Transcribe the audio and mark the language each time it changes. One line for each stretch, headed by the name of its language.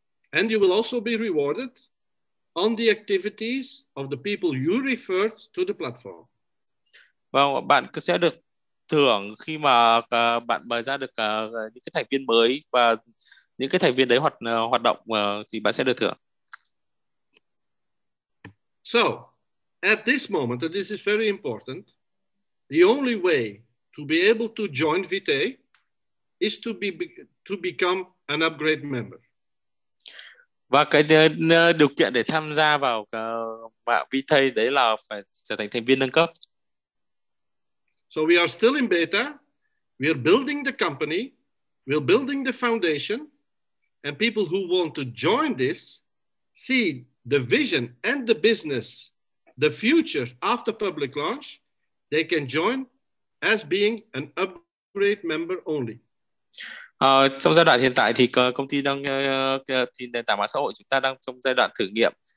English: And you will also be rewarded on the activities of the people you referred to the platform.
Vietnamese: Vâng, bạn sẽ được thưởng khi mà bạn mời ra được những cái thành viên mới, và những cái thành viên đấy hoạt động thì bạn sẽ được thưởng.
English: So, at this moment, and this is very important, the only way to be able to join Vitae is to become an upgrade member.
Vietnamese: Và cái điều kiện để tham gia vào mạng Vitae đấy là phải trở thành thành viên nâng cấp.
English: So we are still in beta. We are building the company. We are building the foundation. And people who want to join this see the vision and the business, the future after public launch, they can join as being an upgrade member only.
Vietnamese: Trong giai đoạn hiện tại thì công ty đang thì nền tảng mạng xã hội chúng ta đang trong giai đoạn thử nghiệm.